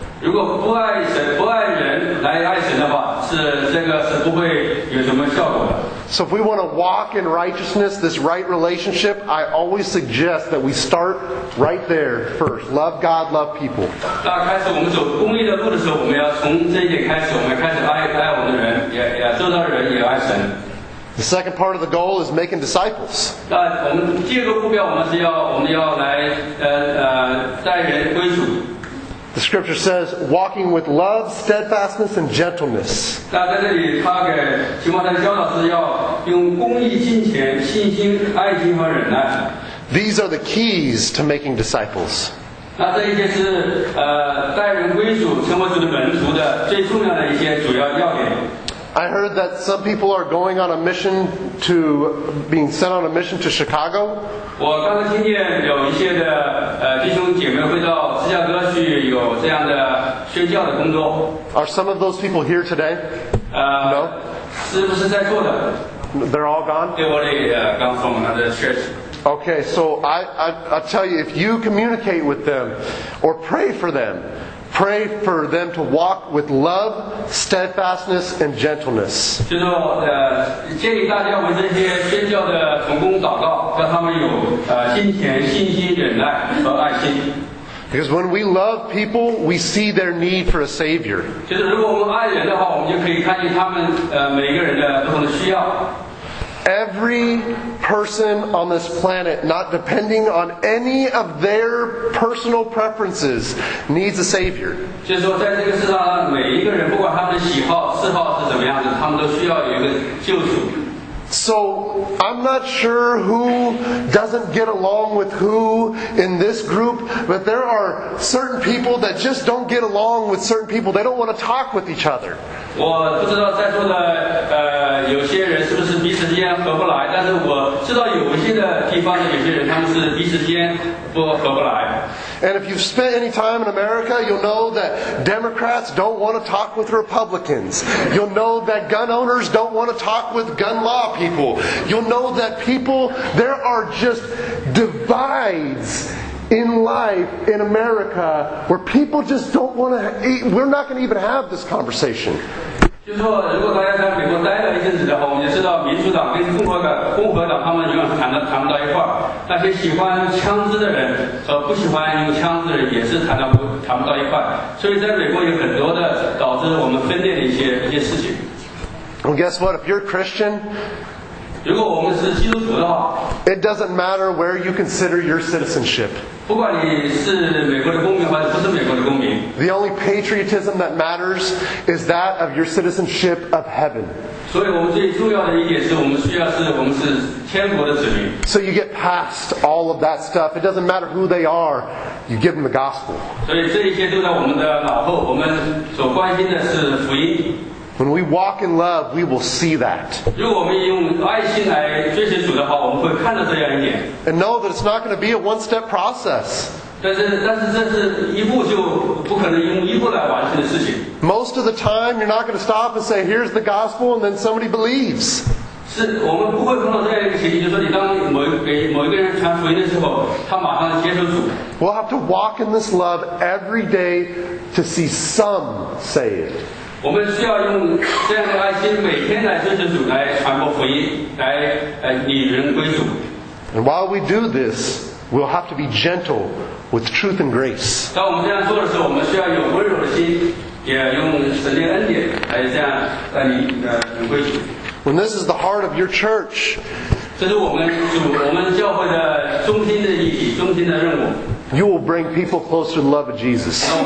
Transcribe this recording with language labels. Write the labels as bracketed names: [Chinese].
[Chinese] 如果不爱神，不爱人来爱神的话，是这个是不会有什么效果的。 [English] So if we want to walk in righteousness, this right relationship, I always suggest that we start right there first. Love God, love people. [Chinese] 那开始我们走公义的路的时候，我们要从这一点开始，我们开始爱我们的人，也做到人也爱神。 [English] The second part of the goal is making disciples. [Chinese] 那我们第二个目标，我们要来带人归主。 [English] The scripture says, walking with love, steadfastness, and gentleness. [Chinese] 那在这里，他给提摩太教导是要用公义、敬虔、信心、爱心和忍耐。 [English] These are the keys to making disciples. [Chinese] 那这一些是带人归主、成为主的门徒的最重要的一些主要要点。 [English] I heard that some people are going on a mission to being sent on a mission to Chicago. [Chinese] 我刚才听见有一些的弟兄姐妹会到芝加哥去有这样的宣教的工作。 [English] Are some of those people here today? No. [Chinese] 是不是在做的？ [English] They're all gone. They were gone from another church. Okay, so I tell you, if you communicate with them or pray for them. Pray for them to walk with love, steadfastness, and gentleness. [Chinese] 就是建议大家为这些宣教的同工祷告，让他们有敬虔、信心、忍耐和爱心。 [English] Because when we love people, we see their need for a savior. [Chinese] 就是如果我们爱人的话，我们就可以看见他们每个人的不同的需要。 [English] Every person on this planet, not depending on any of their personal preferences, needs a savior. [Chinese] 就是说在这个世上每一个人不管他们的喜好嗜好是怎么样的，他们都需要有一个救赎。 [English] So I'm not sure who doesn't get along with who in this group, but there are certain people that just don't get along with certain people. They don't want to talk with each other. [Chinese] 我不知道在座的有些人是不是彼此间合不来，但是我知道有一些的地方的有些人他们是彼此间不合不来。 [English] And if you've spent any time in America, you'll know that Democrats don't want to talk with Republicans. You'll know that gun owners don't want to talk with gun law people. You'll know that people, there are just divides in life in America where people just don't want to, we're not going to even have this conversation. [Chinese] 就是说，如果大家在美国待了一阵子的话，我们就知道民主党跟共和党他们永远谈不到一块儿。那些喜欢枪支的人和不喜欢用枪支的人也是谈不到一块。所以在美国有很多的导致我们分裂的一些事情。 [English] Well, guess what? If you're Christian, [Chinese] 如果我们是基督徒的话 [English] ，it doesn't matter where you consider your citizenship. [Chinese] 不管你是美国的公民还是不是美国的公民 [English] The only patriotism that matters is that of your citizenship of heaven. [Chinese] 所以我们最重要的一点是我们是天国的子民 [English] So you get past all of that stuff. It doesn't matter who they are. You give them the gospel. [Chinese] 所以这一切都在我们的脑后我们所关心的是福音 [English] When we walk in love, we will see that. [Chinese] 如果我们用爱心来追随主的话，我们会看到这样一点。 [English] And know that it's not going to be a one-step process. [Chinese] 但是这是一步就不可能用一步来完成的事情。 [English] Most of the time, you're not going to stop and say, "Here's the gospel," and then somebody believes. [Chinese] 是我们不会碰到这样一个情形，就是说你当某一个人传福音的时候，他马上接受主。 [English] We'll have to walk in this love every day to see some saved. [Chinese] 我们需要用这样的爱心每天来追随主来传播福音来与人归主 [English] And while we do this we'll have to be gentle with truth and grace [Chinese] 当我们这样做的时候我们需要有温柔的心也用神的恩典来这样带你归主 [English] When this is the heart of your church [Chinese] 这是我们教会的中心的意义中心的任务 [English] You will bring people closer to the love of Jesus.